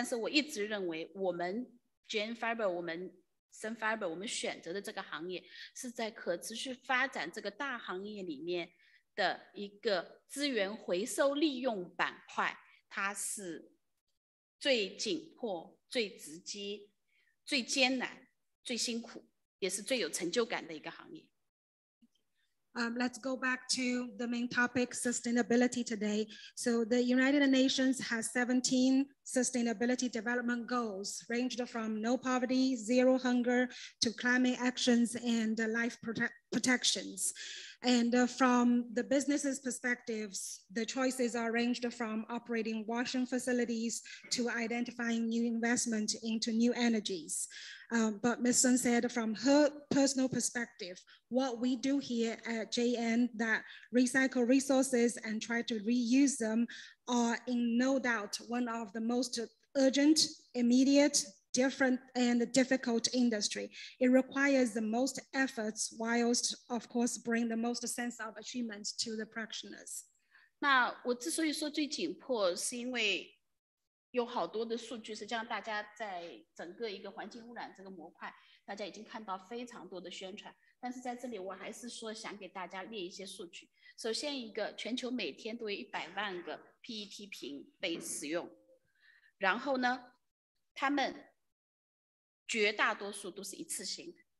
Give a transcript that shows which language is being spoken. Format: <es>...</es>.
<zh>可持续发展是一个非常大的议题，然后我们看说联合国它对于这个议题实际上有17个大的目标，从零饥饿、零贫困到我们这个叫生物保护以及气候行动。但是即便是在制造行业，实际上我们从清洁生产一直到我们说投资新能源等等，也是一个非常大的选择。但是我一直认为我们 JN Fiber， 我们 Sun Fiber， 我们选择的这个行业，是在可持续发展这个大行业里面的一个资源回收利用板块，它是最紧迫、最直接、最艰难、最辛苦，也是最有成就感的一个行业。</zh> <en>Let's go back to the main topic, sustainability today. So the United Nations has 17 sustainability development goals, ranged from no poverty, zero hunger, to climate actions and life protections. And from the business's perspectives, the choices are ranged from operating washing facilities to identifying new investment into new energies. But Ms. Sun said from her personal perspective, what we do here at JN that recycle resources and try to reuse them are in no doubt one of the most urgent, immediate, different and difficult industry. It requires the most efforts whilst, of course, bring the most sense of achievement to the practitioners.</en> <zh>那我之所以说最紧迫是因为有好多的数据，实际上大家在整个一个环境污染这个模块，大家已经看到非常多的宣传，但是在这里我还是说想给大家列一些数据。首先一个，全球每天都有100万个PET瓶被使用，然后呢，他们绝大多数都是一次性。</zh>